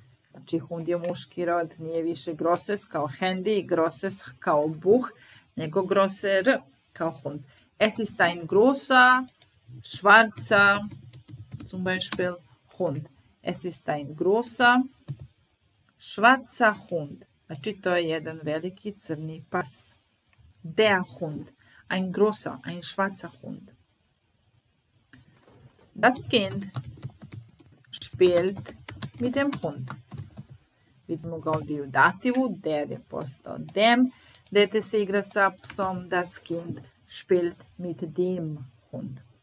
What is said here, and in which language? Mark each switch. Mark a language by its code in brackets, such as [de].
[sr] Znači, Hund je muški rod, nije više großes kao Handy, großes kao Buch, nego großer kao Hund. [de] Es ist ein großer, schwarzer, zum Beispiel, Hund. Es ist ein großer, schwarzer Hund. [sr] Znači, to je jedan veliki crni pas. [de] Der Hund. Ein großer, ein schwarzer Hund. Das Kind spielt mit dem Hund. [sr] Vidimo ga ovdje u dativu. Der je postao dem. Dete se igra sa psom. [de] Das Kind spielt mit dem Hund.